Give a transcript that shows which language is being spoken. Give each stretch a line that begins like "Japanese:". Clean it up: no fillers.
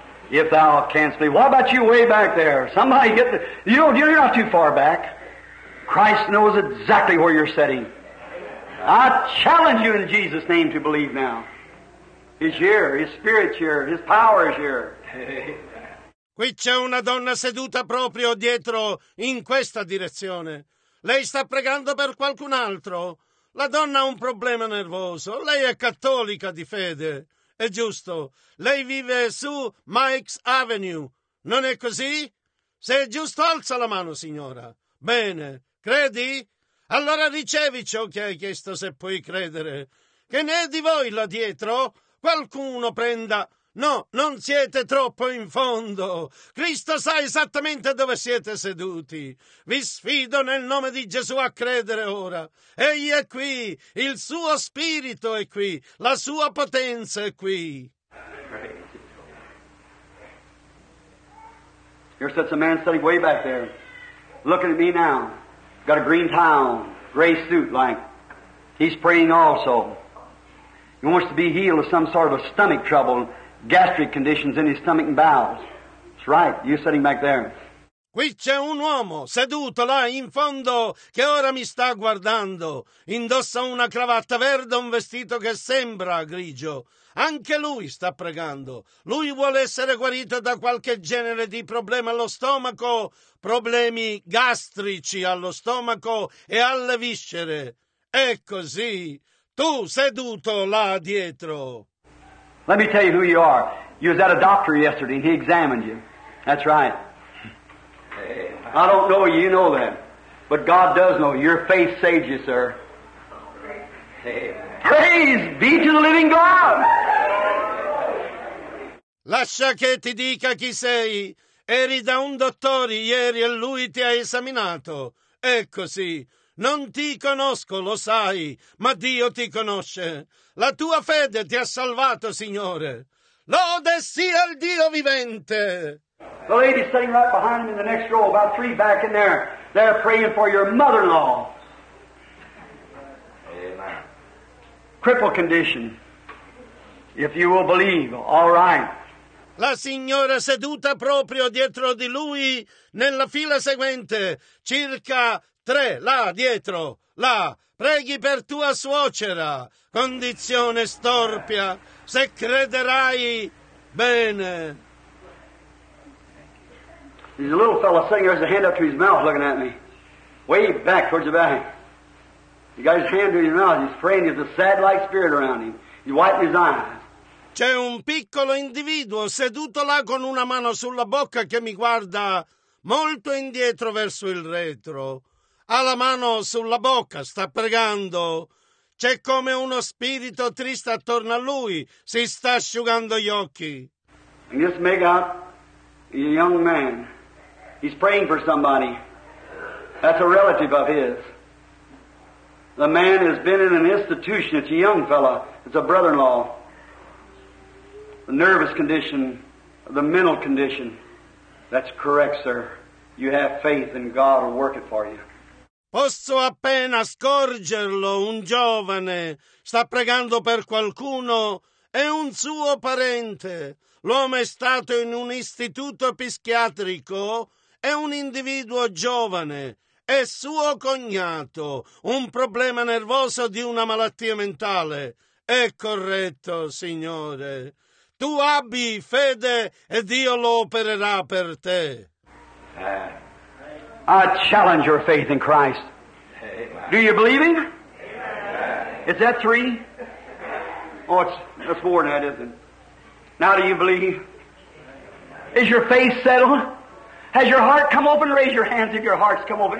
English: If thou canst believe. What about you way back there? Somebody get the... You're not too far back. Christ knows exactly where you're sitting. I challenge you in Jesus' name to believe now. He's here. His Spirit's here. His power is here.
Italian: Qui c'è una donna seduta proprio dietro in questa direzione. Lei sta pregando per qualcun altro. La donna ha un problema nervoso. Lei è cattolica di fede. È giusto. Lei vive su Mike's Avenue. Non è così? Se è giusto, alza la mano, signora. Bene. Credi? Allora ricevi ciò che hai chiesto, se puoi credere. Che ne è di voi là dietro? Qualcuno prenda... No, non siete troppo in fondo. Cristo sa esattamente dove siete seduti. Vi sfido nel nome di Gesù a credere ora. Egli è qui, il suo spirito è qui, la sua potenza è qui.
English: Here sits a man sitting way back there, looking at me now. Got a green towel, gray suit, like. He's praying also. He wants to be healed of some sort of a stomach trouble. Gastric conditions in his stomach and bowels. That's right, you're sitting back there.
Italian: Qui c'è un uomo seduto là in fondo che ora mi sta guardando. Indossa una cravatta verde, un vestito che sembra grigio. Anche lui sta pregando. Lui vuole essere guarito da qualche genere di problema allo stomaco, problemi gastrici allo stomaco e alle viscere. È così. Tu seduto là dietro.
English: Let me tell you who you are. You was at a doctor yesterday and he examined you. That's right. I don't know you, you know that. But God does know you. Your faith saved you, sir. Praise be to the living God!
Italian: Lascia che ti dica chi sei. Eri da un dottore ieri e lui ti ha esaminato. È così. Non ti conosco, lo sai, ma Dio ti conosce. La tua fede ti ha salvato, Signore. Lode sia il Dio vivente.
English: The lady sitting right behind me in the next row, about three back in there. They're praying for your mother-in-law. Amen. Cripple condition. If you will believe, all right.
Italian: La signora seduta proprio dietro di lui, nella fila seguente, circa... Tre, là, dietro, là, preghi per tua suocera, condizione storpia, se crederai, bene.
English: He's a little fellow sitting there with his hand up to his mouth looking at me. way back towards the back. He got his hand to his mouth. He's praying. There's a sad like spirit around him. He's wiping his eyes.
Italian: C'è un piccolo individuo seduto là con una mano sulla bocca che mi guarda molto indietro verso il retro. Ha la mano sulla bocca, sta pregando. C'è come uno spirito triste attorno a lui. Si sta asciugando gli occhi.
English: And just make out a young man. He's praying for somebody. That's a relative of his. The man has been in an institution. It's a young fellow. It's a brother-in-law. The nervous condition, the mental condition. That's correct, sir. You have faith and God will work it for you.
Italian: Posso appena scorgerlo, un giovane sta pregando per qualcuno, è un suo parente. L'uomo è stato in un istituto psichiatrico, è un individuo giovane, è suo cognato, un problema nervoso di una malattia mentale. È corretto, Signore. Tu abbi fede e Dio lo opererà per te.
English: I challenge your faith in Christ. Amen. Do you believe Him? Amen. Is that three? Oh, it's more than that, isn't it? Now do you believe? Is your faith settled? Has your heart come open? Raise your hands if your heart's come open.